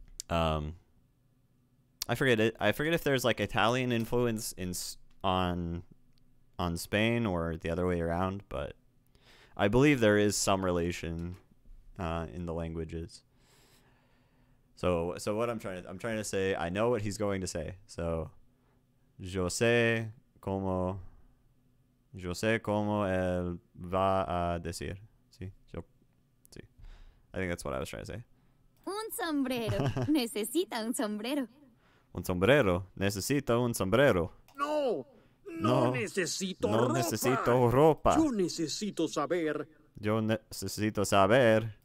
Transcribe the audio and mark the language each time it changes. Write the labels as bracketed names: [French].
[English] I forget if there's like Italian influence on Spain or the other way around, but I believe there is some relation in the languages. So what I'm trying to say, I know what he's going to say. [Spanish] So yo sé cómo él va a decir. Sí. [English] I think that's what I was trying to say. [Spanish] Un sombrero. Necesita un sombrero. Un sombrero. Necesita un sombrero. No. No necesito ropa. No necesito ropa. Yo necesito saber. Yo necesito saber.